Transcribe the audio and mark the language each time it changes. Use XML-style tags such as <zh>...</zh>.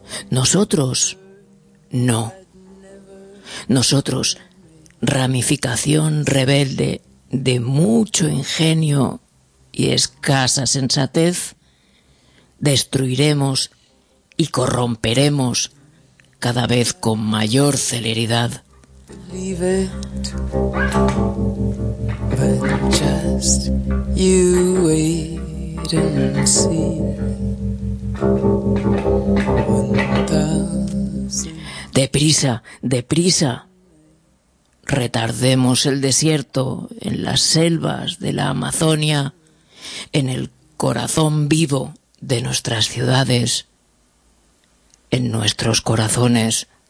<es>Nosotros, no. Nosotros, ramificación rebelde de mucho ingenio y escasa sensatez, destruiremos y corromperemos cada vez con mayor celeridad.</es> <en>Leave it, but just you wait and see.</en> <es>Deprisa, deprisa. Retardemos el desierto en las selvas de la Amazonia, en el corazón vivo de nuestras ciudades, en nuestros corazones.</es>